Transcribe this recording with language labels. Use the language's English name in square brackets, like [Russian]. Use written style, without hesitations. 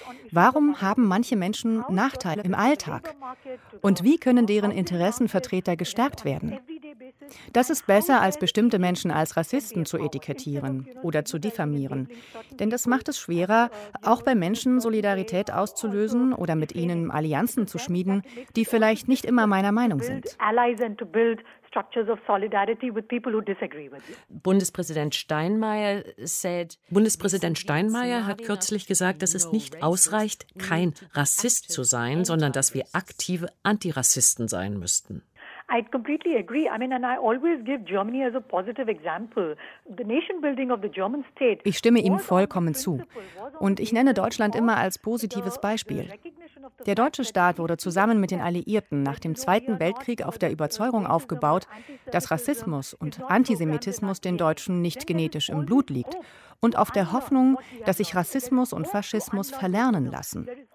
[German] Warum haben manche Menschen Nachteile im Alltag? Und wie können deren Interessenvertreter gestärkt werden? Das ist besser, als bestimmte Menschen als Rassisten zu etikettieren oder zu diffamieren. Denn das macht es schwerer, auch bei Menschen Solidarität auszulösen oder mit ihnen Allianzen zu schmieden, die vielleicht nicht immer meiner Meinung sind. [English] Structures of solidarity with people who disagree with you. [German] Bundespräsident Steinmeier hat kürzlich gesagt, dass es nicht ausreicht, kein Rassist zu sein, sondern dass wir aktive Antirassisten sein müssten. [English] I completely agree. I mean, and I always give Germany as a positive example. The nation building of the German state. [German] Ich stimme ihm vollkommen zu. Und ich nenne Deutschland immer als positives Beispiel. Der deutsche Staat wurde zusammen mit den Alliierten nach dem Zweiten Weltkrieg auf der Überzeugung aufgebaut, dass Rassismus und Antisemitismus den Deutschen nicht genetisch im Blut liegt und auf der Hoffnung, dass sich Rassismus und Faschismus verlernen lassen.